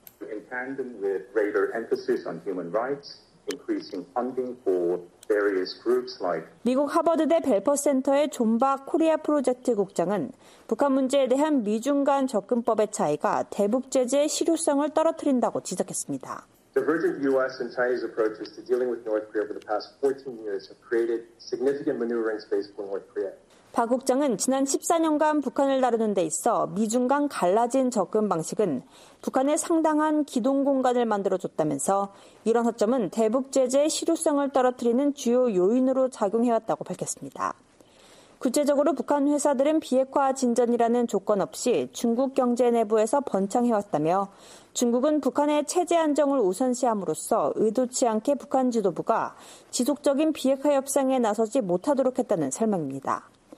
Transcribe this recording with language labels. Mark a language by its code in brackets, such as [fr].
[en] In tandem with greater emphasis on human rights, increasing funding for various groups like [ko] 미국 하버드대 벨퍼 센터의 존 박 코리아 프로젝트 국장은 북한 문제에 대한 미중 간 접근법의 차이가 대북 제재의 실효성을 떨어뜨린다고 지적했습니다. [en] Divergent U.S. and Chinese approaches to dealing with North Korea over the past 14 years have created significant maneuvering space for North Korea. [ko] 박 국장은 지난 14년간 북한을 다루는 데 있어 미중 간 갈라진 접근 방식은 북한에 상당한 기동 공간을 만들어줬다면서 이런 허점은 대북 제재의 실효성을 떨어뜨리는 주요 요인으로 작용해왔다고 밝혔습니다. 구체적으로 북한 회사들은 비핵화 진전이라는 조건 없이 중국 경제 내부에서 번창해왔다며 중국은 북한의 체제 안정을 우선시함으로써 의도치 않게 북한 지도부가 지속적인 비핵화 협상에 나서지 못하도록 했다는 설명입니다.